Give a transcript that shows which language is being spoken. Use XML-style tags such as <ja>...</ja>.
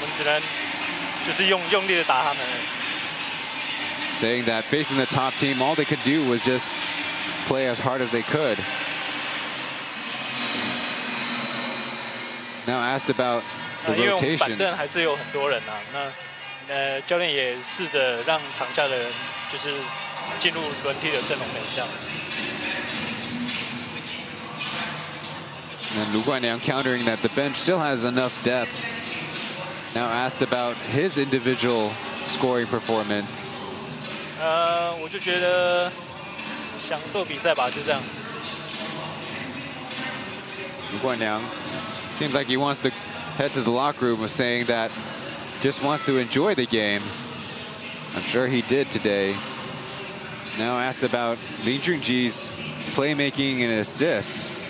<zh>没办法，因为昨天输球就三连败，那今天又面对到他们龙头，我们只能就是用力的打他们。</zh> <en>Saying that facing the top team, all they could do was just play as hard as they could. Now asked about the rotations.</en> <zh>教练也试着让场下的人就是进入轮替的阵容等一下。</zh> <en>And Lu Guanliang countering that the bench still has enough depth. Now asked about his individual scoring performance.</en> <zh>我就觉得享受比赛吧，就这样。</zh> <en>Lu Guanliang seems like he wants to head to the locker room, saying that just wants to enjoy the game. I'm sure he did today. Now asked about Lin Junji's playmaking and assists.</en>